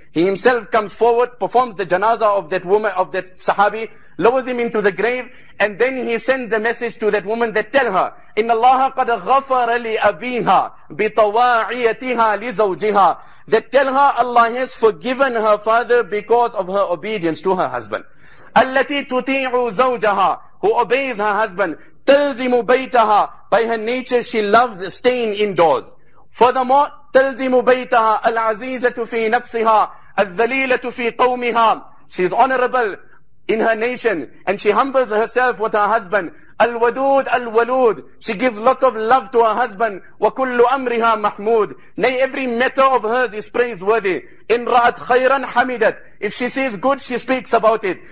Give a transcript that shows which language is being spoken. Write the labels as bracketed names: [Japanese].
[English] He himself comes forward, performs the janazah of that woman, of that sahabi, lowers him into the grave, and then he sends a message to that woman that tell her, [Arabic] إِنَّ اللَّهَ قَدْ غَفَرَ لِأَبِيهَا بِطَوَاعِيَتِهَا لِزَوْجِهَا. [English] That tell her Allah has forgiven her father because of her obedience to her husband. [Arabic] أَلَّتِي تُطِيعُ زَوْجَهَا. [English] Who obeys her husband. [Arabic] تَلْزِمُ بَيْتَهَا. [English] By her nature she loves staying indoors. Furthermore, [Arabic] تَلْزِمُ بَيْتَهَا الْعَزِيزَةُ فِي نَفْسِهَا الذَّلِيلَةُ فِي قَوْمِهَا. [English] She is honorable in her nation and she humbles herself with her husband. [Arabic] الْوَدُودُ الْوَلُودُ. [English] She gives lot of love to her husband. [Arabic] وَكُلُّ أَمْرِهَا مَحْمُودُ. [English] Nay, every matter of hers is praiseworthy. [Arabic] إِنْ رَأَتْ خَيْرًا حَمِدَتْ. [English] If she sees good, she speaks about it.